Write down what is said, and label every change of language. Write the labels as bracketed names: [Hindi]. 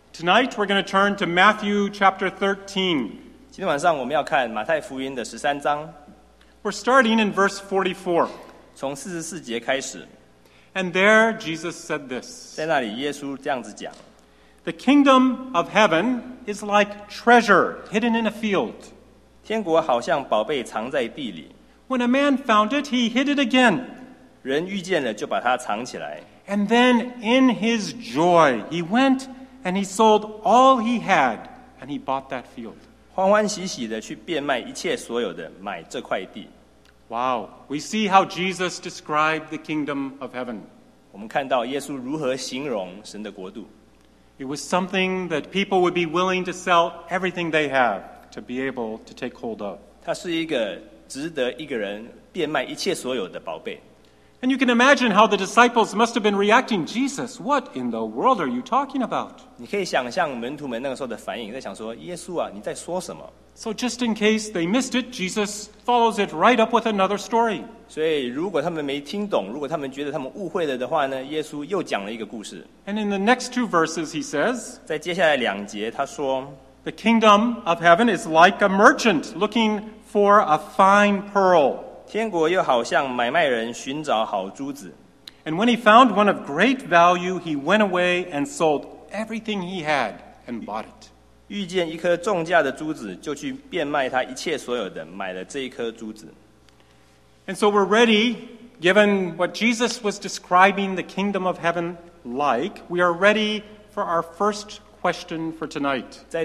[English] Tonight we're going to turn to Matthew chapter 13. [Chinese] 今天晚上我们要看马太福音的十三章。 [English] We're starting in verse 44. [Chinese] 从四十四节开始。 [English] And there Jesus said this. [Chinese] 在那里耶稣这样子讲。 [English] The kingdom of heaven is like treasure hidden in a field. [Chinese] 天国好像宝贝藏在地里。 [English] When a man found it, he hid it again. [Chinese] 人遇见了就把它藏起来。 [English] And then in his joy, he went and he sold all he had and he bought that field. [Chinese] 欢欢喜喜的去变卖一切所有的买这块地。 [English] Wow, we see how Jesus described the kingdom of heaven. [Chinese] 我们看到耶稣如何形容神的国度。 [English] It was something that people would be willing to sell everything they have to be able to take hold of. [Chinese] 它是一个值得一个人变卖一切所有的宝贝。 [English] And you can imagine how the disciples must have been reacting, Jesus, what in the world are you talking about? [Chinese] 你可以想象门徒们那个时候的反应，在想说，耶稣啊，你在说什么？ [English] So just in case they missed it, Jesus follows it right up with another story. [Chinese] 所以如果他们没听懂，如果他们觉得他们误会了的话呢，耶稣又讲了一个故事。 [English] And in the next two verses, he says, [Chinese] 在接下来两节他说， [English] The kingdom of heaven is like a merchant looking for a fine pearl. [Chinese] 天国又好像买卖人寻找好珠子。 [English] And when he found one of great value, he went away and sold everything he had and bought it. [Chinese] 遇见一颗重价的珠子，就去变卖他一切所有的，买了这一颗珠子。 [English] And so we're ready, given what Jesus was describing the kingdom of heaven like, we are ready for our first question for tonight.